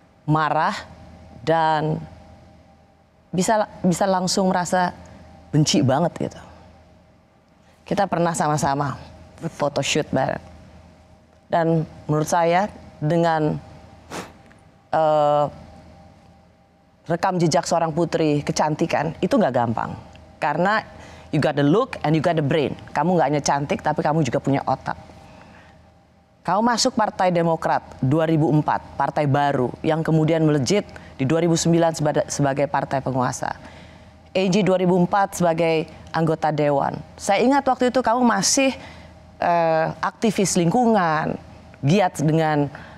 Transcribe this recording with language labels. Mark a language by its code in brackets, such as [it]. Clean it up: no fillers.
[id] Marah dan bisa langsung merasa benci banget gitu. Kita pernah sama-sama foto shoot bareng. Dan menurut saya dengan rekam jejak seorang putri kecantikan itu gak gampang. [en] Karena you got the look and you got the brain. [id] Kamu gak hanya cantik tapi kamu juga punya otak. Kamu masuk Partai Demokrat 2004, partai baru yang kemudian melejit di 2009 sebagai partai penguasa. AG 2004 sebagai anggota dewan. Saya ingat waktu itu kamu masih aktivis lingkungan, giat dengan